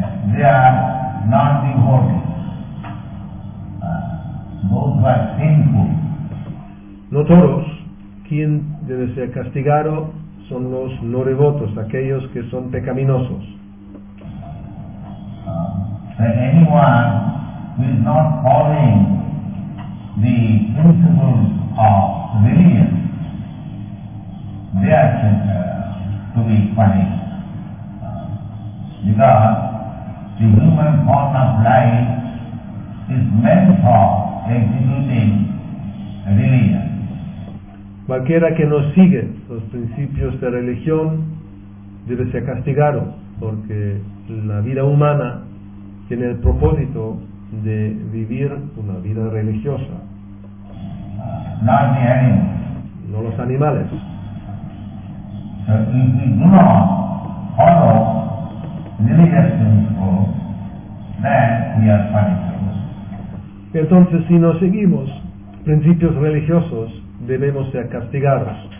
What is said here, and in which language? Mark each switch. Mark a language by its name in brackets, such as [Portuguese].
[English] They are not the devotees. Those who are sinful. [Spanish] No todos. Quien debe ser castigado son los no devotos, aquellos que son pecaminosos. [English] That anyone who is not following the principles of religion, they are to be punished. Because the human form of life is meant for executing religion. [Spanish] Cualquiera que no sigue los principios de religión debe ser castigado, porque la vida humana tiene el propósito de vivir una vida religiosa. [English] Not the animals. [Spanish] No los animales. [English] So if we do not follow religious principles, then we are punished. [Spanish] Entonces, si no seguimos principios religiosos, debemos ser castigados.